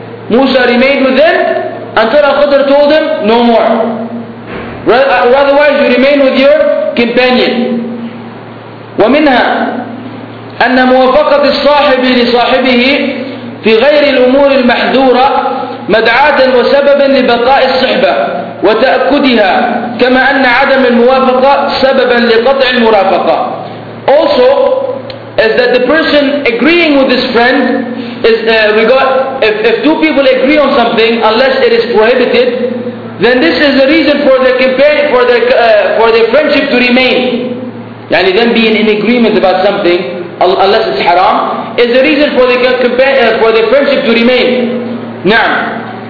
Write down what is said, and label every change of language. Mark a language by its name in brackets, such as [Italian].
[English] Musa remained with them until Al-Khidr told him, no more. Otherwise, you remain with your companion. [Arabic] ومنها أن موافقة الصاحب لصاحبه في غير الأمور المحذورة مدعاة وسببا لبقاء الصحبة وتأكدها كما أن عدم الموافقة سببا لقطع المرافقة. [English] Also, is that the person agreeing with his friend is if two people agree on something unless it is prohibited, then this is a reason for their companion, for their friendship to remain. يعني them being in agreement about something unless it's haram, is a reason for the friendship to remain. Naam.